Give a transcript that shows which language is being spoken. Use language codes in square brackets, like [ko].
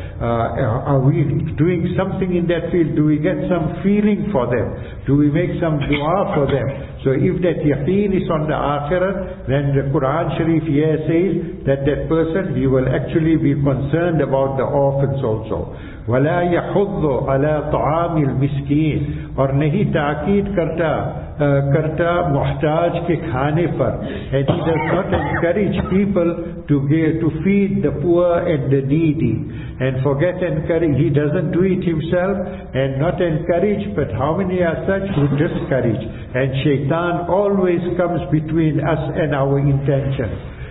[en] Are we doing something in that field? Do we get some feeling for them? Do we make some dua for them? So if that yaqeen is on the Akhirat, then the Quran Sharif here says that that person, he will actually be concerned about the orphans also. [ar] وَلَا يَحُضُّ عَلَىٰ طَعَامِ الْمِسْكِينَ [ur] اور نہیں تاقید کرتا محتاج کے کھانے پر. [en] And he does not encourage people to feed the poor and the needy. And forget encourage, he doesn't do it himself and not encourage, but how many are such who discourage? And shaitan always comes between us and our intention.